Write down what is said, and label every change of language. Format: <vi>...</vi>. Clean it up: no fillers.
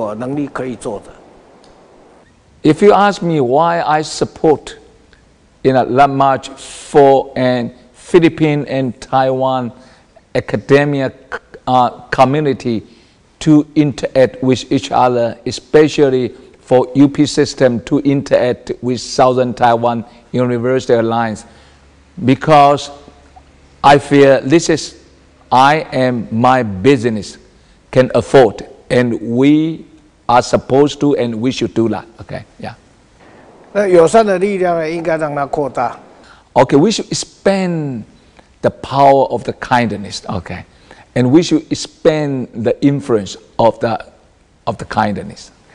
<zh>所以呢，这一次为什么我要支持这个菲律宾这个计划呢？是因为这是我能力可以做的。</zh> <en>If you ask me why I support in a that much for an Philippine and Taiwan academia community to interact with each other, especially for UP system to interact with Southern Taiwan University Alliance, because I feel this is I am my business can afford, and we are supposed to, and we should do that. Okay, yeah.</en> <zh>那友善的力量呢，应该让它扩大。</zh> <en>Okay, we should expand the power of the kindness. Okay, and we should expand the influence of the kindness.</en>